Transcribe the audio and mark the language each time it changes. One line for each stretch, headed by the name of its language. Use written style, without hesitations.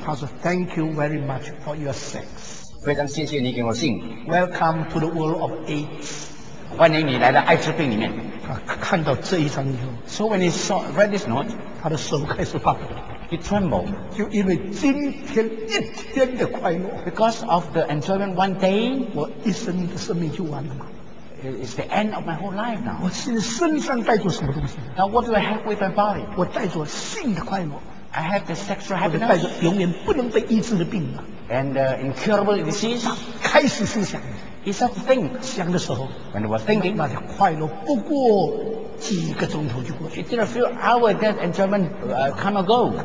Chinese: 她说 ，
English: Thank you very much for your sex。
Chinese: 非常谢谢你给我信。
English: Welcome to the world of AIDS。
Chinese: 欢迎你来到艾滋病里面。他看到这一张以后
English: ，So when he saw read this note，
Chinese: 他的手开始发抖。
English: He trembled。
Chinese: 就因为今天一天的快乐。
English: Because of the enjoyment one day，
Chinese: 我一生的生命就完了嘛。
English: It's the end of my whole life now。
Chinese: 我现在身上带着什么东西
English: ？Now what do I have with my body？
Chinese: 我带着性的快乐。
English: I have the sexual happiness。
Chinese: 我带着永远不能被医治的病嘛。
English: And incurable disease.
Chinese: 开始思想
English: He started to think.
Chinese: 想的时候
English: When he was thinking,
Chinese: 那些快乐不过几个钟头就过去
English: It took a few hours that enjoyment come ago.